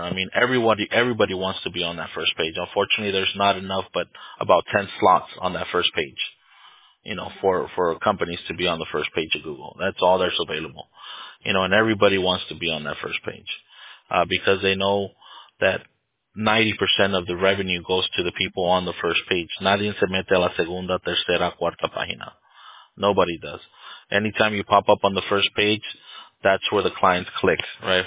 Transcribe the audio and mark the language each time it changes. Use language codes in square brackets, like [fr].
[en] I mean, everybody wants to be on that first page. Unfortunately, there's not enough but about 10 slots on that first page, you know, for companies to be on the first page of Google. That's all that's available. You know, and everybody wants to be on that first page because they know that 90% of the revenue goes to the people on the first page. [es] Nadie se mete a la segunda, tercera, cuarta página. [en] Nobody does. Anytime you pop up on the first page, that's where the clients click, right?